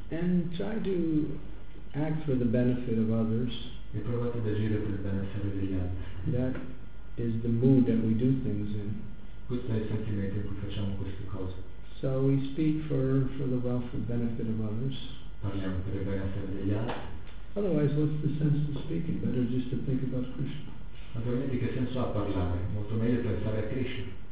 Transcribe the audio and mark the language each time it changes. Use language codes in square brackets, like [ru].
[en] And try to act for the benefit of others. [it] E provate ad agire per il benessere degli altri. [en] That is the mood that we do things in. [it] Questo è il sentimento in cui facciamo queste cose. [en] So we speak for the welfare benefit of others. [it] Parliamo per il benessere degli altri. [en] Otherwise, what's the sense of speaking? Better just to think about Krishna. [it] Altrimenti che senso ha parlare? Molto meglio pensare a Krishna.